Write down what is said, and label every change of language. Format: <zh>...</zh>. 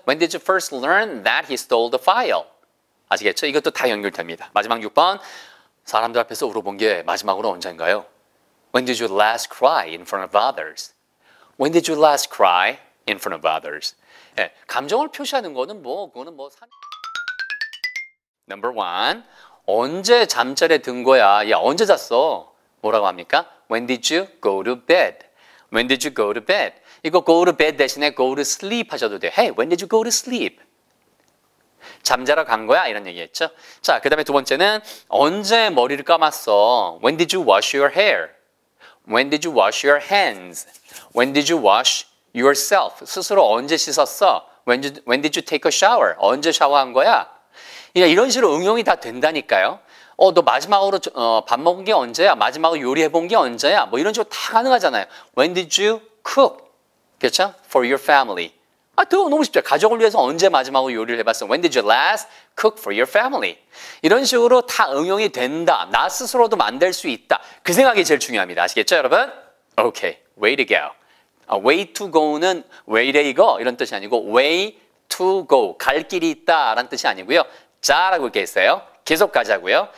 <en>When did you first learn that he stole the file?</en> <ko>아시겠죠? 이것도 다 연결됩니다. 마지막 6번, 사람들 앞에서 울어본 게 마지막으로 언젠가요?</ko> <en>When did you last cry in front of others? When did you last cry in front of others?</en> <ko>예, 감정을 표시하는 거는 뭐, 그거는 뭐...</ko> <en>Number one,</en> <ko>언제 잠자리에 든 거야? 야, 언제 잤어? 뭐라고 합니까?</ko> <en>When did you go to bed? When did you go to bed?</en> <ko>이거</ko> <en>go to bed</en> <ko>대신에</ko> <en>go to sleep</en> <ko>하셔도 돼요.</ko> <en>Hey, when did you go to sleep?</en> <ko>잠자러 간 거야? 이런 얘기했죠. 자, 그 다음에 두 번째는 언제 머리를 감았어?</ko> <en>When did you wash your hair? When did you wash your hands? When did you wash yourself?</en> <ko>스스로 언제 씻었어?</ko> <en>When did you take a shower?</en> <ko>언제 샤워한 거야? 이런 식으로 응용이 다 된다니까요. 너 마지막으로 밥 먹은 게 언제야? 마지막으로 요리해본 게 언제야? 뭐 이런 식으로 다 가능하잖아요.</ko> <en>When did you cook?</en> <ko>그렇죠?</ko> <en>For your family.</en> <ko>아, 더 너무 쉽죠. 가족을 위해서 언제 마지막으로 요리를 해봤어?</ko> <en>When did you last cook for your family?</en> <ko>이런 식으로 다 응용이 된다. 나 스스로도 만들 수 있다. 그 생각이 제일 중요합니다. 아시겠죠, 여러분?</ko> <en>Okay, way to go. Way to go</en> <ko>는 way to go 이런 뜻이 아니고 way to go 갈 길이 있다라는 뜻이 아니고요. 자라고 이렇게 있어요. 계속 가자고요.</ko>